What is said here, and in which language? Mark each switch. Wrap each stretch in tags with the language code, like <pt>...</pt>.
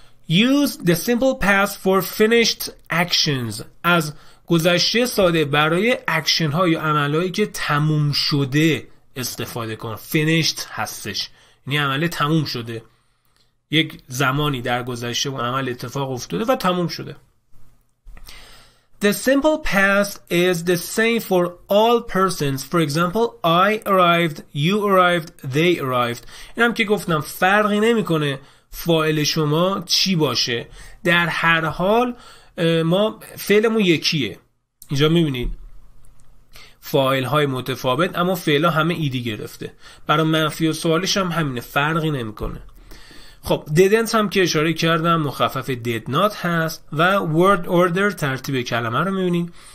<en>Use the simple past for finished actions،</en> <fa>از گذشته ساده برای اکشن ها یا عمل هایی که تموم شده استفاده کن. finished هستش، یعنی عمل تموم شده، یک زمانی در گذشته اون عمل اتفاق افتاده و تموم شده.</fa> <en>The simple past is the same for all persons. For example, I arrived, you arrived, they arrived.</en> <fa>اینم که گفتم فرقی نمیکنه فاعل شما چی باشه، در هر حال ما فعلمون یکیه. اینجا میبینید فاعل های متفاوت اما فعلا همه ایدی گرفته. برای منفی و سوالش هم همینه، فرقی نمیکنه. خب didn't هم که اشاره کردم مخفف did not هست و word order ترتیب کلمه رو میبینیم.</fa>